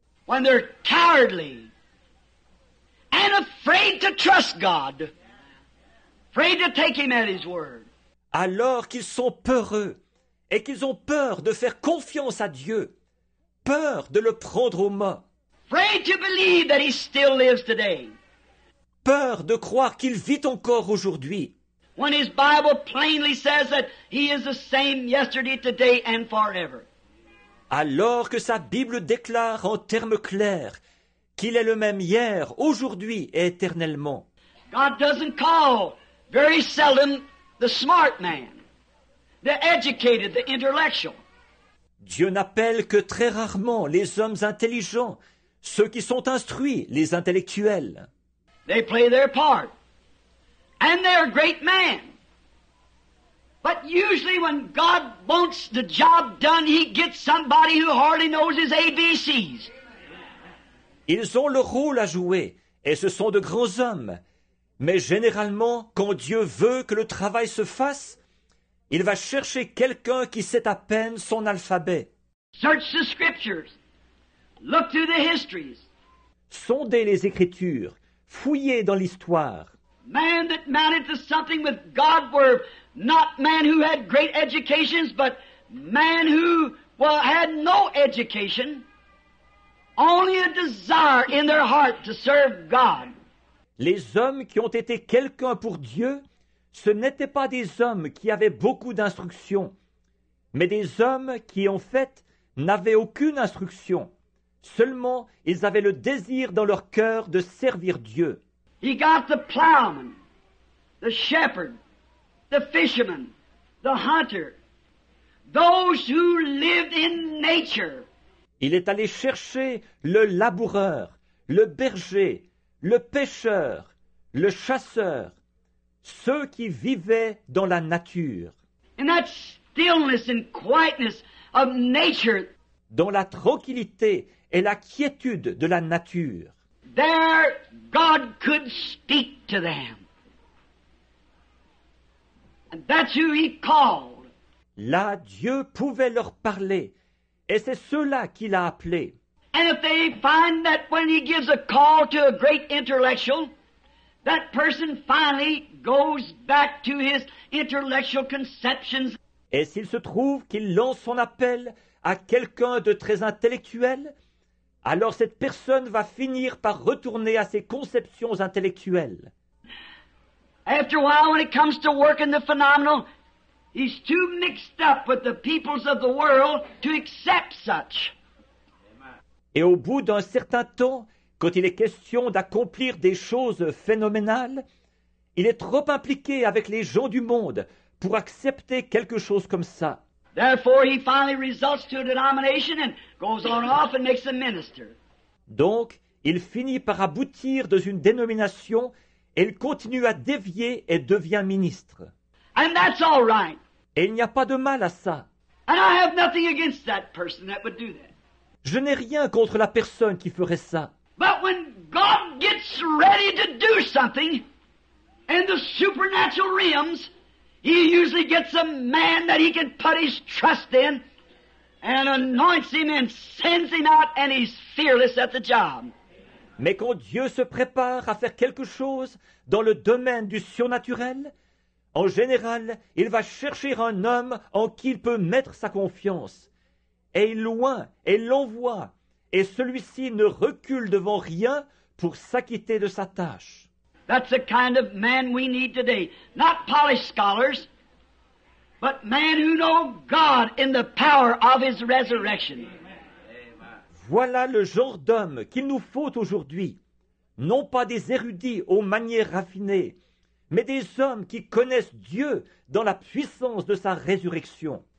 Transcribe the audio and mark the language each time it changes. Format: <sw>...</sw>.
<en>When they're cowardly and afraid to trust God, afraid to take him at his word.</en> <fr>Alors qu'ils sont peureux et qu'ils ont peur de faire confiance à Dieu, peur de le prendre au mot.</fr> <en>Afraid to believe that he still lives today.</en> <fr>Peur de croire qu'il vit encore aujourd'hui.</fr> <en>When his Bible plainly says that he is the same yesterday, today, and forever.</en> <fr>Alors que sa Bible déclare en termes clairs qu'il est le même hier, aujourd'hui et éternellement.</fr> <en>God doesn't call very seldom the smart man, the educated, the intellectual.</en> <fr>Dieu n'appelle que très rarement les hommes intelligents, ceux qui sont instruits, les intellectuels.</fr> <en>They play their part. And they're a great man. But usually when God wants the job done, he gets somebody who hardly knows his ABCs.</en> <fr>Ils ont le rôle à jouer, et ce sont de grands hommes. Mais généralement, quand Dieu veut que le travail se fasse, il va chercher quelqu'un qui sait à peine son alphabet.</fr> <en>Search the scriptures. Look through the histories.</en> <fr>Sondez les écritures. Fouillez dans l'histoire.</fr> <en>Man that mounted to something with God were not man who had great educations, but man who had no education, only a desire in their heart to serve God.</en> <fr>Les hommes qui ont été quelqu'un pour Dieu, ce n'étaient pas des hommes qui avaient beaucoup d'instruction, mais des hommes qui, en fait, n'avaient aucune instruction. Seulement, ils avaient le désir dans leur cœur de servir Dieu.</fr> <en>He got the plowman, the shepherd, the fisherman, the hunter, those who lived in nature.</en> <fr>Il est allé chercher le laboureur, le berger, le pêcheur, le chasseur, ceux qui vivaient dans la nature.</fr> <en>In that stillness and quietness of nature.</en> <fr>Dans la tranquillité et la quiétude de la nature.</fr> <en>There God could speak to them. And that's who he called.</en> <fr>Là, Dieu pouvait leur parler. Et c'est ceux-là qu'il a appelés.</fr> <en>And if they find that when he gives a call to a great intellectual, that person finally goes back to his intellectual conceptions.</en> <fr>Et s'il se trouve qu'il lance son appel à quelqu'un de très intellectuel, alors cette personne va finir par retourner à ses conceptions intellectuelles.</fr> <en>After a while, when it comes to work in the phenomenal, he's too mixed up with the peoples of the world to accept such.</en> <fr>Et au bout d'un certain temps, quand il est question d'accomplir des choses phénoménales, il est trop impliqué avec les gens du monde pour accepter quelque chose comme ça.</fr> <en>Therefore, he finally results to a denomination and goes on off and makes a minister.</en> <fr>Donc, il finit par aboutir dans une dénomination et il continue à dévier et devient ministre.</fr> <en>And that's all right.</en> <fr>Et il n'y a pas de mal à ça.</fr> <en>And I have nothing against that person that would do that.</en> <fr>Je n'ai rien contre la personne qui ferait ça.</fr> <en>But when God gets ready to do something in the supernatural realms, he usually gets a man that he can put his trust in and anoints him and sends him out and he's fearless at the job.</en> <fr>Mais quand Dieu se prépare à faire quelque chose dans le domaine du surnaturel, en général, il va chercher un homme en qui il peut mettre sa confiance. Et il loin, et l'envoie, et celui-ci ne recule devant rien pour s'acquitter de sa tâche.</fr> <en>That's the kind of man we need today. Not polished scholars, but men who know God in the power of his resurrection. Amen.</en> <fr>Voilà le genre d'homme qu'il nous faut aujourd'hui. Non pas des érudits aux manières raffinées, mais des hommes qui connaissent Dieu dans la puissance de sa résurrection.</fr>